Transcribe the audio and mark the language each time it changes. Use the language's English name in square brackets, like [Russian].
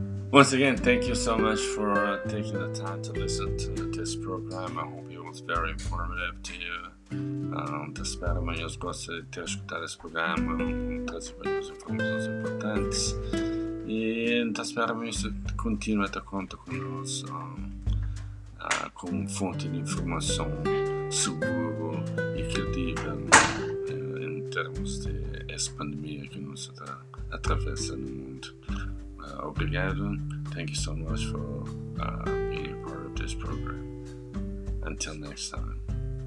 [English] Once again, thank you so much for taking the time to listen to this program. I hope it was very informative to you. [Portuguese] Espero que vocês gostem de ter escutado esse programa. Muitas informações importantes. E espero que você continue a ter conta conosco como fonte de informação segura e credível em termos de essa pandemia que nos atravessa no mundo. Obrigado. [English] Thank you so much for being a part of this program. Until next time.